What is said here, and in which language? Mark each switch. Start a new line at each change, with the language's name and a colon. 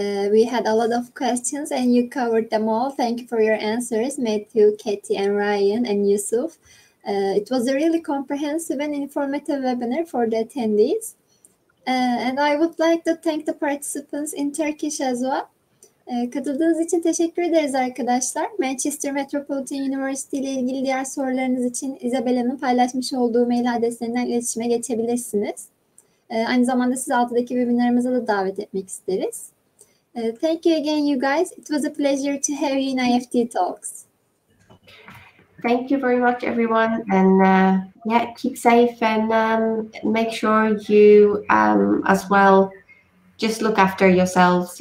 English: We had a lot of questions and you covered them all. Thank you for your answers, Matthew, Katie, and Ryan, and Yusuf. It was a really comprehensive and informative webinar for the attendees. And I would like to thank the participants in Turkish as well.
Turkish: Katıldığınız için teşekkür ederiz arkadaşlar. Manchester Metropolitan University ile ilgili diğer sorularınız için Isabella'nın paylaşmış olduğu mail adreslerinden iletişime geçebilirsiniz. Aynı zamanda sizi altıdaki webinarımıza da davet etmek isteriz.
English: Thank you again, you guys. It was a pleasure to have you in IEFT Talks. Thank you very much, everyone. And yeah, keep safe and make sure you as well just look after yourselves.